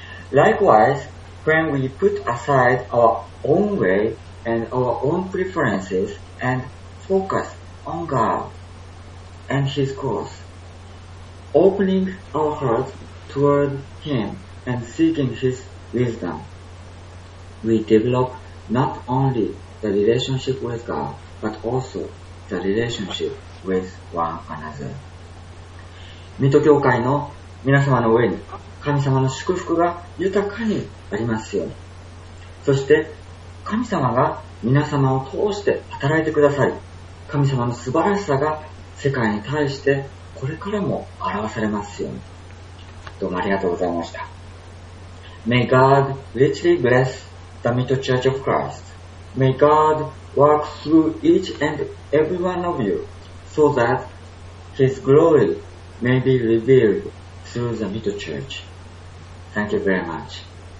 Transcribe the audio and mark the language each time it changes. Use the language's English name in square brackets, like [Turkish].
[English] Likewise, when we put aside our own way and our own preferences and focus on God and His cause, opening our hearts toward Him and seeking His wisdom, we develop not only the relationship with God, but also the relationship with one another. [Japanese] 水戸教会の皆様の上に神様の祝福が豊かにありますように。そして神様が皆様を通して働いてくださり、神様の素晴らしさが世界に対してこれからも表されますように。どうもありがとうございました。 [English] May God richly bless the Mito Church of Christ. May God work through each and every one of you so that His glory may be revealed through the Mito Church. Thank you very much.